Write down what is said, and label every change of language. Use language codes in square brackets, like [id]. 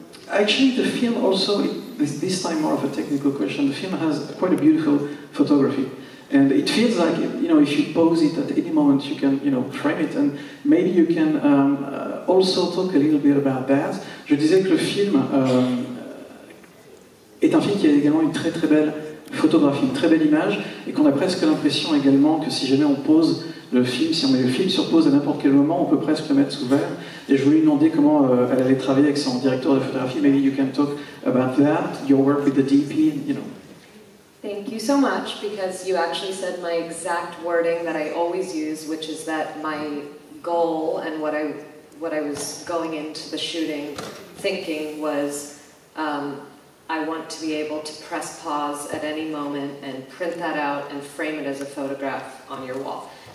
[en] Actually, the film also, this time more of a technical question, the film has quite a beautiful photography. And it feels like, you know, if you pose it at any moment, you can, you know, frame it. And maybe you can also talk a little bit about that. [fr] Je disais que le film est un film qui a également une très très belle photographie, une très belle image, et qu'on a presque l'impression également que si jamais on pose le film, si on met le film sur pause à n'importe quel moment, on peut presque le mettre sous verre. Et je voulais lui demander comment elle allait travailler avec son directeur de photographie. [en] Maybe you can talk about that, your work with the DP, you know. Thank you so much, because you actually said my exact wording that I always use, which is that my goal and what I was going into the shooting thinking was I want to be able to press pause at any moment and print that out and frame it as a photograph on your wall.